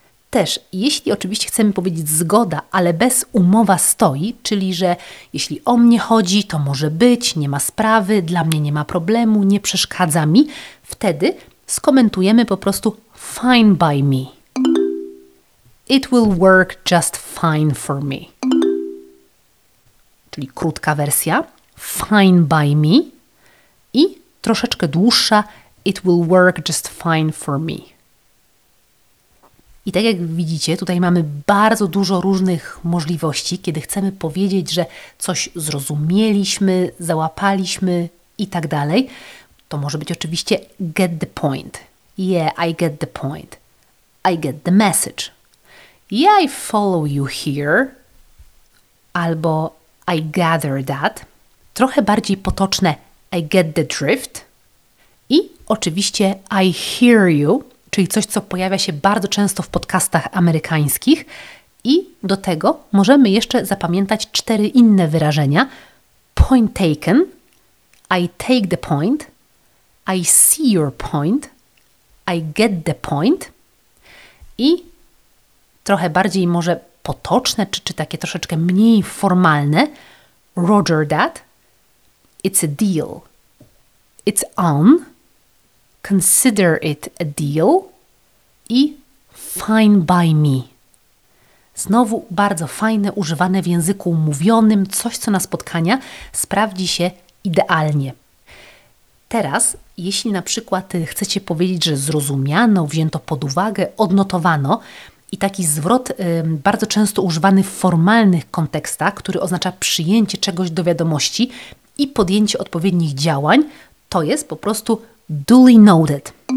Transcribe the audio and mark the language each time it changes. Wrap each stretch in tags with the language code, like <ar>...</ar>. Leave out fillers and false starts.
<pl>Też, jeśli oczywiście chcemy powiedzieć zgoda, ale bez umowa stoi, czyli że jeśli o mnie chodzi, to może być, nie ma sprawy, dla mnie nie ma problemu, nie przeszkadza mi, wtedy skomentujemy po prostu</pl> <en>fine by me. It will work just fine for me.</en> <pl>Czyli krótka wersja,</pl> <en>fine by me</en> <pl>i troszeczkę dłuższa,</pl> <en>it will work just fine for me.</en> <pl>I tak jak widzicie, tutaj mamy bardzo dużo różnych możliwości, kiedy chcemy powiedzieć, że coś zrozumieliśmy, załapaliśmy i tak dalej. To może być oczywiście</pl> <en>get the point. Yeah, I get the point. I get the message. Yeah, I follow you here.</en> <pl>Albo</pl> <en>I gather that.</en> <pl>Trochę bardziej potoczne</pl> <en>I get the drift.</en> <pl>I oczywiście</pl> <en>I hear you,</en> <pl>czyli coś, co pojawia się bardzo często w podcastach amerykańskich. I do tego możemy jeszcze zapamiętać cztery inne wyrażenia.</pl> <en>Point taken, I take the point, I see your point, I get the point.</en> <pl>I trochę bardziej może potoczne, czy takie troszeczkę mniej formalne.</pl> <en>Roger that, it's a deal, it's on. Consider it a deal i fine by me.</en> <pl>Znowu bardzo fajne, używane w języku mówionym, coś co na spotkania sprawdzi się idealnie. Teraz, jeśli na przykład chcecie powiedzieć, że zrozumiano, wzięto pod uwagę, odnotowano i taki zwrot bardzo często używany w formalnych kontekstach, który oznacza przyjęcie czegoś do wiadomości i podjęcie odpowiednich działań, to jest po prostu</pl> <en>duly noted.</en>